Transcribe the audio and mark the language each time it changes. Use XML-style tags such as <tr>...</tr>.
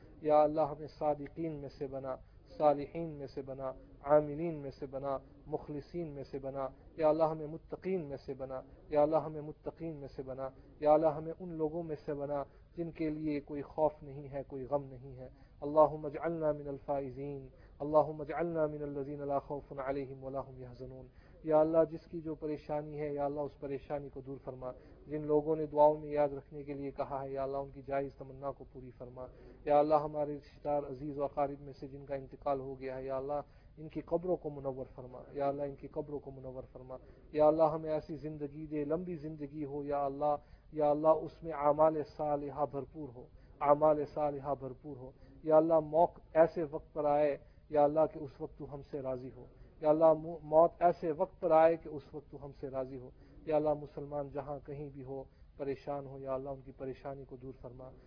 <ur>یا اللہ ہمیں صادقین میں سے بنا, صالحین میں سے بنا, عاملین میں سے بنا, مخلصین میں سے بنا. یا اللہ ہمیں متقین میں سے بنا. یا اللہ ہمیں متقین میں سے بنا. یا اللہ ہمیں ان لوگوں میں سے بنا جن کے لیے کوئی خوف نہیں ہے, کوئی غم نہیں ہے.</ur> <ar>اللهم اجعلنا من الفائزين، اللهم اجعلنا من الذين لا خوف عليهم ولا هم يحزنون.</ar> <ur>یا اللہ جس کی جو پریشانی ہے یا اللہ اس پریشانی کو دور فرما، جن لوگوں نے دعاؤں میں یاد رکھنے کے لیے کہا ہے یا اللہ ان کی جائز تمنا کو پوری فرما، یا اللہ ہمارے رشتہ دار عزیز و اقارب میں سے جن کا انتقال ہو گیا ہے یا اللہ ان کی قبروں کو منور فرما، یا اللہ ان کی قبروں کو منور فرما، یا اللہ ہمیں ایسی زندگی دے، لمبی زندگی ہو یا اللہ، یا اللہ اس میں اعمال صالحہ بھرپور ہو، اعمال صالحہ بھرپور ہو، یا اللہ موقع ایسے وقت پر آئے یا اللہ کہ اس وقت تو ہم سے راضی ہو، یا اللہ موت ایسے وقت پر آئے کہ اس وقت تو ہم سے راضی ہو، یا اللہ مسلمان جہاں کہیں بھی ہو پریشان ہو یا اللہ ان کی پریشانی کو دور فرما،</ur>